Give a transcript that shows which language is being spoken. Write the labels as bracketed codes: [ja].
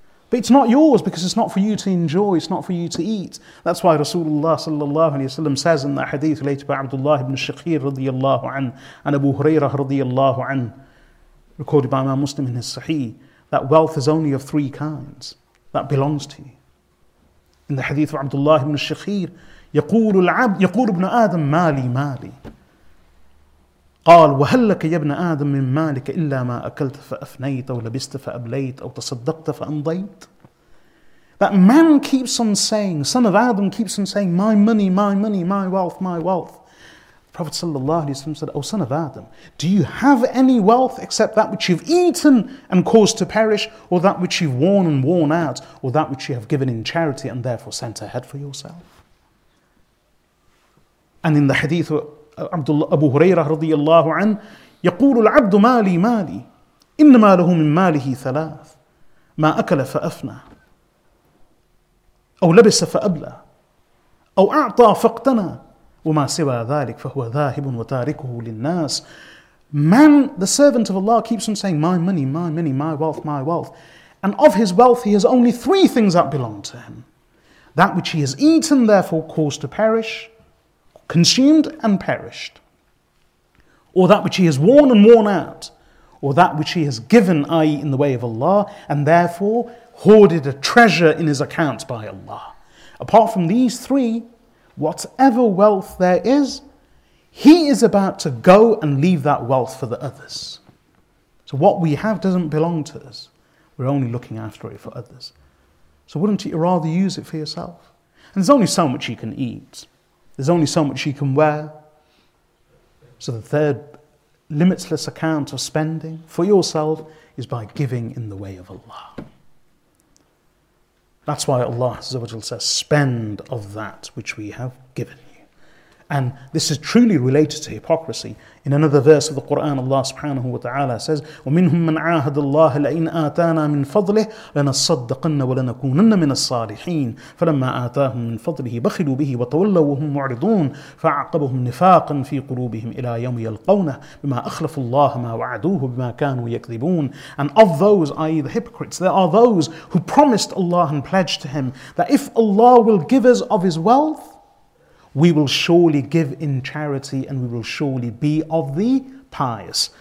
[en] But it's not yours because it's not for you to enjoy, it's not for you to eat. That's why Rasulullah sallallahu alayhi wa sallam says in the hadith related by Abdullah ibn Shakir radiyallahu anhu and Abu Hurairah radiyallahu anhu, recorded by Imam Muslim in his Sahih, that wealth is only of three kinds that belongs to you. In the hadith of Abdullah ibn Shakir, [ar] يقول ابن آدم مالي مالي قال وهل لك يا ابن آدم من مالك إلا ما أكلت فأفنيت أو لبست فأبليت أو تصدقت فأنضيت. [en] That man keeps on saying, son of Adam keeps on saying, my money, my money, my wealth, my wealth. The Prophet ﷺ said, oh son of Adam, do you have any wealth except that which you've eaten and caused to perish, or that which you've worn and worn out, or that which you have given in charity and therefore sent ahead for yourself? And in the hadith Abdullah Abu Hurairah radiyallahu an, [ar] يقول العبد مالي مالي إنما له من ماله ثلاث ما أكل فأفنى أو لبس فأبلى أو أعطى فاقتنى وما سوى ذلك فهو ذاهب وتاركه للناس. [en] Man, the servant of Allah, keeps on saying, my money, my money, my wealth, my wealth. And of his wealth, he has only three things that belong to him: that which he has eaten, therefore caused to perish, consumed and perished, or that which he has worn and worn out, or that which he has given, i.e. in the way of Allah, and therefore hoarded a treasure in his account by Allah. Apart from these three, whatever wealth there is, he is about to go and leave that wealth for the others. So what we have doesn't belong to us. We're only looking after it for others. So wouldn't you rather use it for yourself? And there's only so much you can eat. There's only so much you can wear. So the third limitless account of spending for yourself is by giving in the way of Allah. That's why Allah says, spend of that which we have given you. And this is truly related to hypocrisy. In another verse of the Quran, Allah subhanahu wa ta'ala says, [ar] وَمِنْهُمْ مَنْ عَاهَدَ اللَّهَ لَئِنْ آتَانَا مِنْ فَضْلِهِ لَنَصَّدَّقَنَّ وَلَنَكُونَنَّ مِنَ الصَّالِحِينَ فَلَمَّا آتَاهُمْ مِنْ فَضْلِهِ بَخِلُوا بِهِ وَتَوَلَّوا وَهُمْ مُعْرِضُونَ فَعَقَبَهُمْ نِفَاقًا فِي قُلُوبِهِمْ إِلَى يَوْمِ يَلْقَوْنَهُ بِمَا أَخْلَفُوا اللَّهَ مَا وَعَدُوهُ بِمَا كَانُوا يَكْذِبُونَ. [en] And of those, i.e. the hypocrites, there are those who promised Allah and pledged to Him that if Allah will give us of His wealth, we will surely give in charity and we will surely be of the pious.